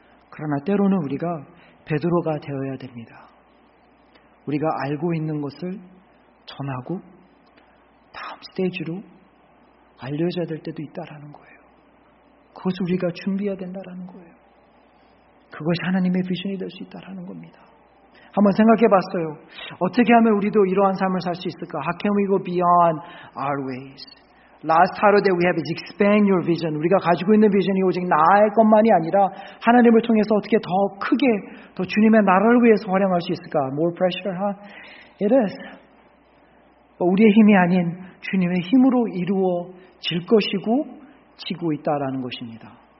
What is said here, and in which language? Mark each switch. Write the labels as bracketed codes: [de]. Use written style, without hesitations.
[ko] 그러나 때로는 우리가 베드로가 되어야 됩니다. 우리가 알고 있는 것을 전하고 다음 스테이지로 알려져야 될 때도 있다라는 거예요. 그것을 우리가 준비해야 된다라는 거예요. 그것이 하나님의 비전이 될 수 있다라는 겁니다. 한번 생각해 봤어요. 어떻게 하면 우리도 이러한 삶을 살 수 있을까? [en] How can we go beyond our ways? Last Saturday we have is expand your vision. [ko] 우리가 가지고 있는 비전이 오직 나의 것만이 아니라 하나님을 통해서 어떻게 더 크게 더 주님의 나라를 위해서 활용할 수 있을까? [en] More pressure, huh? It is. [ko] 우리의 힘이 아닌 주님의 힘으로 이루어질 것이고 지고 있다라는 것입니다.